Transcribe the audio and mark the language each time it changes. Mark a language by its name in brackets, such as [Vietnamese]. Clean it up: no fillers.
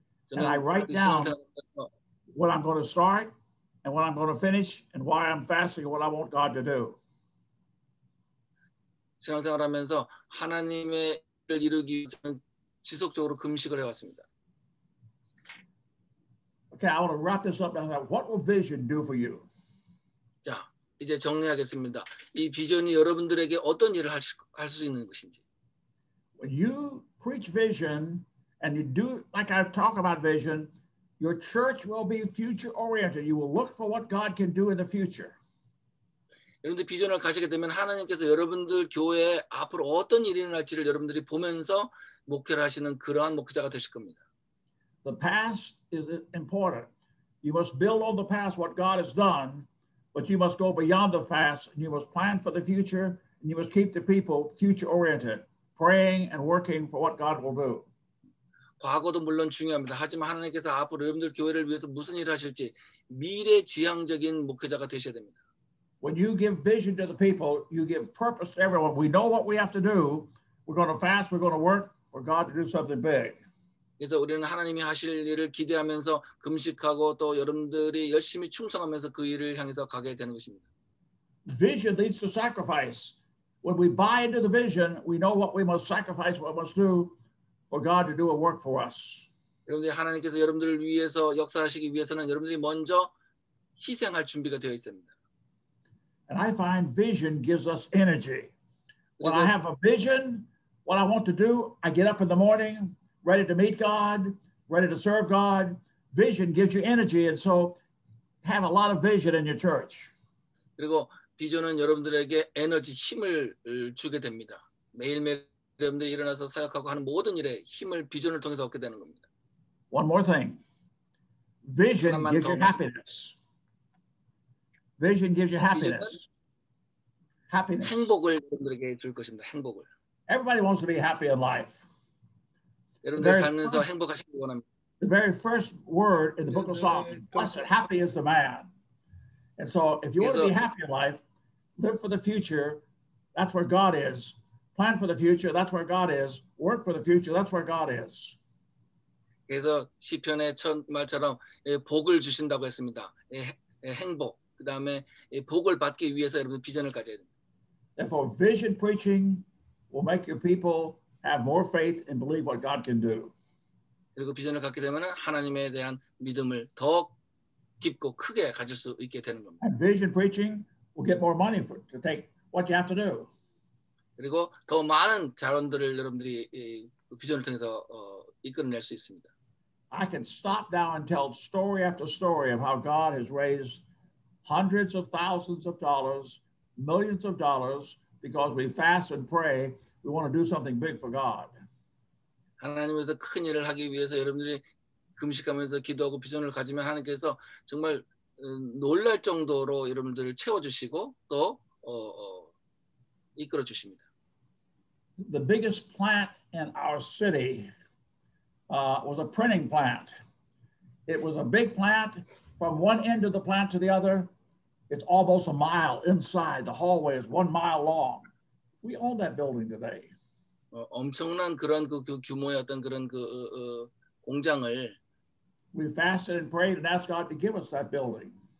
[English] And I write down what I'm going to start and what I'm going to finish and why I'm fasting and what I want God to do. [Korean] 신앙생활 하면서 하나님의 일을 이루기 위해서 지속적으로 금식을 해 왔습니다. [English] Okay, I want to wrap this up now. What will vision do for you? [Korean] 자, 이제 정리하겠습니다. 이 비전이 여러분들에게 어떤 일을 할 수 있는 것인지. [English] When you preach vision and you do like I talk about vision, your church will be future oriented. You will look for what God can do in the future. [Korean] 여러분들 비전을 가지게 되면 하나님께서 여러분들 교회에 앞으로 어떤 일이 일어날지를 여러분들이 보면서 목회를 하시는 그러한 목회자가 되실 겁니다. [English] The past is important. You must build on the past what God has done, but you must go beyond the past and you must plan for the future and you must keep the people future oriented, praying and working for what God will do. [Korean] 과거도 물론 중요합니다. 하지만 하나님께서 앞으로 여러분들 교회를 위해서 무슨 일을 하실지 미래 지향적인 목회자가 되셔야 됩니다. [English] When you give vision to the people, you give purpose to everyone. We know what we have to do. We're going to fast. We're going to work for God to do something big. [Korean] 그래서 우리는 하나님이 하실 일을 기대하면서 금식하고 또 여러분들이 열심히 충성하면서 그 일을 향해서 가게 되는 것입니다. [English] Vision leads to sacrifice. When we buy into the vision, we know what we must sacrifice, what we must do for God to do a work for us. [Korean] 여러분들 하나님께서 여러분들을 위해서 역사하시기 위해서는 여러분들이 먼저 희생할 준비가 되어 있습니다. [English] And I find vision gives us energy. When I have a vision, what I want to do, I get up in the morning, ready to meet God, ready to serve God. Vision gives you energy, and so have a lot of vision in your church. [Korean] 그리고 비전은 여러분들에게 에너지, 힘을 주게 됩니다. 매일매일 여러분들이 일어나서 사역하고 하는 모든 일에 힘을 비전을 통해서 얻게 되는 겁니다. [English] One more thing. Vision gives you happiness. Vision gives you happiness. Happiness. [Korean] 행복을 여러분들에게 줄 것입니다. 행복을. [English] Everybody wants to be happy in life. [Korean] 여러분들 살면서 행복하시길 원합니다. [English] The very first word in the book of Solomon, blessed, happy is the man. And so if you want to be happy in life, live for the future. That's where God is. Plan for the future. That's where God is. Work for the future. That's where God is. [Korean] 그래서 시편의 첫 말처럼 복을 주신다고 했습니다. 행복. 그 다음에 복을 받기 위해서 여러분 비전을 가져야 됩니다. [English] Therefore, vision preaching will make your people have more faith and believe what God can do. [Korean] 그리고 비전을 갖게 되면은 하나님에 대한 믿음을 더 깊고 크게 가질 수 있게 되는 겁니다. [English] And vision preaching will get more money to take what you have to do. [Korean] 그리고 더 많은 자원들을 여러분들이 비전을 통해서 이끌어낼 수 있습니다. [English] I can stop now and tell story after story of how God has raised hundreds of thousands of dollars, millions of dollars, because we fast and pray, we want to do something big for God. [Korean] 하나님께서 큰 일을 하기 위해서 여러분들이 금식하면서 기도하고 비전을 가지면 하나님께서 정말 놀랄 정도로 여러분들을 채워주시고 또 이끌어 주십니다. [English] The biggest plant in our city was a printing plant. It was a big plant from one end of the plant to the other. It's almost a mile inside. The hallway is 1 mile long. We own that building today. [Korean] 엄청난 그런 그 규모의 어떤 그런 그 공장을. [English] We fasted and prayed and asked God to give us that building.